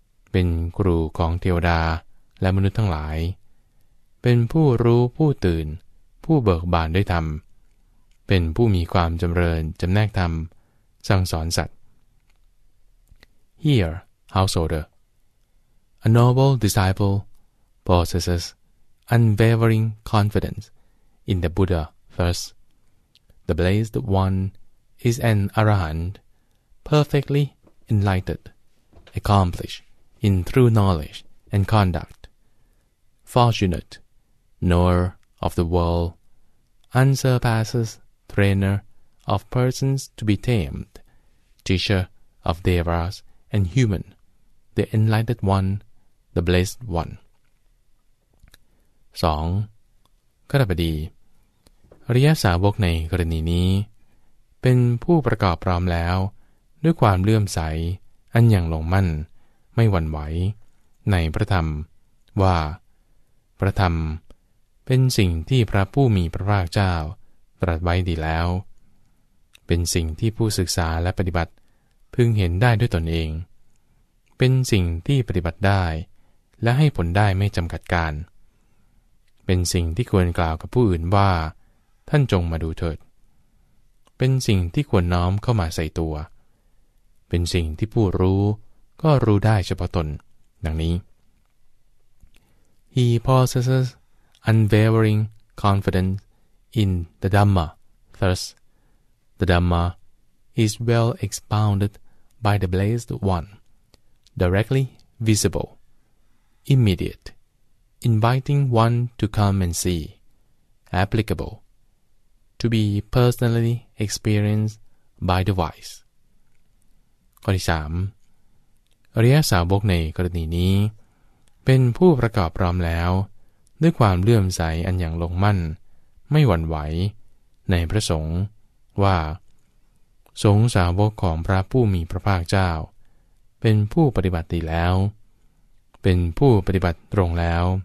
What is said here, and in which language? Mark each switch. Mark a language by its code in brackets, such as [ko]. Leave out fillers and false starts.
[th] เป็นครูของเทวดาและมนุษย์ทั้งหลายเป็นผู้รู้ผู้ตื่นผู้เบิกบานด้วยธรรมเป็นผู้มีความจำเริญจำแนกธรรมสั่งสอนสัตว์ [en] Here, householder, a noble disciple possessesUnwavering confidence in the Buddha first. The Blessed One is an Arahant, perfectly enlightened, accomplished in true knowledge and conduct, fortunate, knower of the world, unsurpassed trainer of persons to be tamed, teacher of devas and human, the enlightened one, the blessed one. 2. [th] คฤหบดีอริยสาวกในกรณีนี้เป็นผู้ประกอบพร้อมแล้วด้วยความเลื่อมใสอันอย่างลงมั่นไม่หวั่นไหวในพระธรรมว่าพระธรรมเป็นสิ่งที่พระผู้มีพระภาคเจ้าตรัสไว้ดีแล้วเป็นสิ่งที่ผู้ศึกษาและปฏิบัติพึงเห็นได้ด้วยตนเองเป็นสิ่งที่ปฏิบัติได้และให้ผลได้ไม่จำกัดการ เป็นสิ่งที่ควรกล่าวกับผู้อื่นว่าท่านจงมาดูเถิดเป็นสิ่งที่ควรน้อมเข้ามาใส่ตัวเป็นสิ่งที่ผู้รู้ก็รู้ได้เฉพาะตนดังนี้ [en] He possesses unwavering confidence in the Dhamma. Thus, the Dhamma is well expounded by the Blessed One, directly visible, immediate, inviting one to come and see, applicable, to be personally experienced by the wise. [th] ข้อที่ 3. อริยสาวกในกรณีนี้เป็นผู้ประกอบพร้อมแล้วด้วยความเลื่อมใสอันอย่างลงมั่นไม่หวั่นไหวในพระสงฆ์ว่าสงฆ์สาวกของพระผู้มีพระภาคเจ้าเป็นผู้ปฏิบัติดีแล้วเป็นผู้ปฏิบัติตรงแล้ว